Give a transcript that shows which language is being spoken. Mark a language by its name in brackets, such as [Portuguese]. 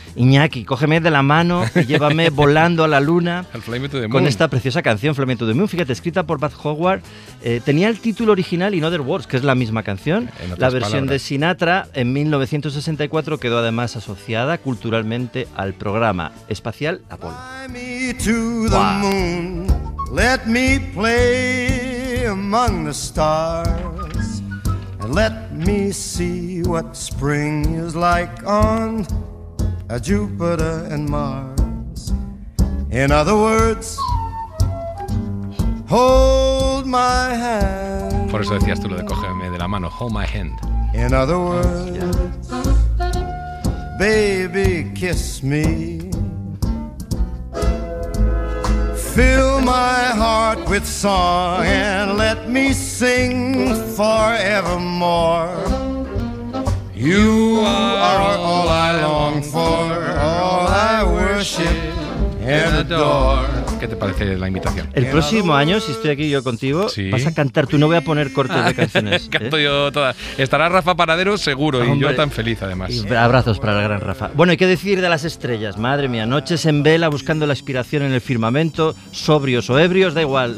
[Spanish] Iñaki, cógeme de la mano y llévame volando a la luna con esta preciosa canción, Fly Me to the Moon. Fíjate, escrita por Bud Howard. Tenía el título original In Other Words, que es la misma canción. La versión palabras. De Sinatra en 1964 quedó además asociada culturalmente al programa espacial Apolo. [English] Fly me to the moon, let me play among the stars, and let me see what spring is like on a Jupiter and Mars. In other words, hold my hand. [Spanish] Por eso decías tú lo de cógeme de la mano, [English] hold my hand. In other words, baby, kiss me. Fill my heart with song and let me sing forevermore. You are all I long for, all I worship and adore. [Spanish] ¿Qué te parece la invitación? El próximo año, si estoy aquí yo contigo, ¿sí? Vas a cantar. Tú no voy a poner cortes de canciones. Canto yo todas. Estará Rafa Paradero seguro. Hombre, y yo tan feliz además. Abrazos para el gran Rafa. Bueno, ¿y qué decir de las estrellas? Madre mía, noches en vela buscando la inspiración en el firmamento, sobrios o ebrios, da igual.